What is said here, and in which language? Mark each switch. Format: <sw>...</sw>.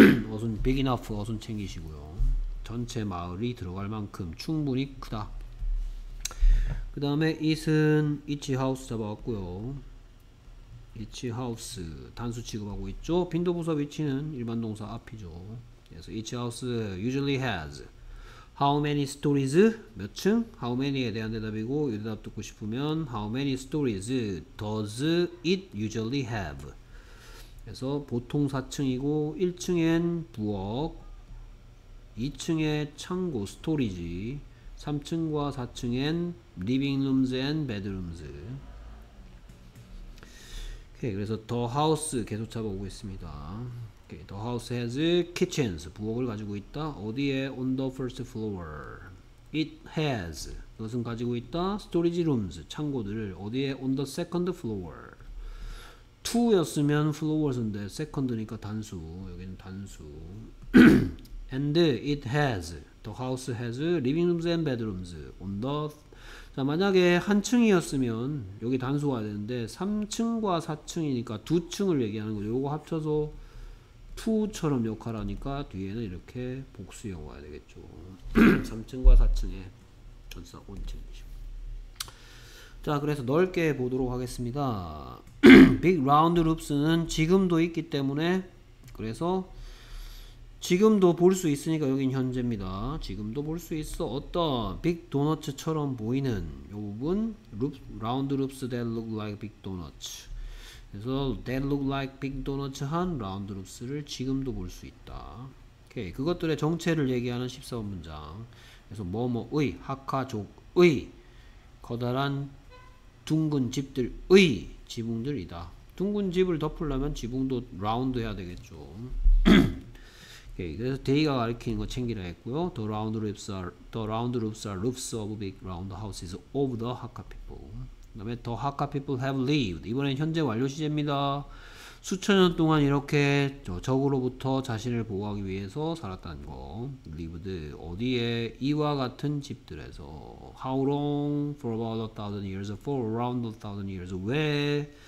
<ko>어순, big enough 어순 챙기시고요. 전체 마을이 들어갈 만큼 충분히 크다. 그 다음에 it은 each house 잡아왔고요. each house 단수 취급하고 있죠. 빈도부사 위치는 일반 동사 앞이죠.</ko> <en>그래서 each house usually has how many stories?</en> <ko>몇 층?</ko> <en>how many에 대한 대답이고, 이 대답 듣고 싶으면 how many stories does it usually have?</en> <ko>그래서 보통 4층이고, 1층엔 부엌, 2층에 창고, 스토리지, 3층과 4층엔</ko> <en>living rooms and bedrooms.</en> <ko>오케이, 그래서 the house 계속 잡아오고 있습니다. 오케이,</ko> <en>the house has kitchens,</en> <ko>부엌을 가지고 있다. 어디에?</ko> <en>On the first floor. It has,</en> <ko>그것은 가지고 있다.</ko> <en>storage rooms,</en> <ko>창고들을. 어디에?</ko> <en>On the second floor.</en> <ko>2였으면 floors인데 second니까 단수. 여기는 단수.</ko> <en>And it has, the house has living rooms and bedrooms on the.</en> <ko>자, 만약에 한 층이었으면 여기 단수가 되는데 3층과 4층이니까 두 층을 얘기하는 거죠. 요거 합쳐서 2처럼 역할하니까 뒤에는 이렇게 복수형이어야 되겠죠. 3층과 4층에 전체 온층이죠. 자, 그래서 넓게 보도록 하겠습니다. Big round loops는 지금도 있기 때문에, 그래서 지금도 볼수 있으니까 여긴 현재입니다. 지금도 볼수 있어. 어떤 빅 도너츠처럼 보이는 요 부분,</ko> <en>round loops that look like big donuts.</en> <ko>그래서</ko> <en>that look like big donuts</en> <ko>한 round loops를 지금도 볼수 있다. 오케이, 그것들의 정체를 얘기하는 14번 문장. 그래서 뭐뭐의 하카족의 커다란 둥근 집들의 지붕들이다. 둥근 집을 덮으려면 지붕도 라운드 해야 되겠죠. 오케이, 그래서 데이가 가리키는 거 챙기라 했고요.</ko> <en>The round roofs are roofs of big round houses of the Hakka people. 그다음에 the Hakka people have lived.</en> <ko>이번엔 현재 완료 시제입니다. 수천 년 동안 이렇게 적으로부터 자신을 보호하기 위해서 살았다는 거. lived 어디에? 이와 같은 집들에서.</ko> <en>How long? For about 1,000 years. For around 1,000 years. Where?</en>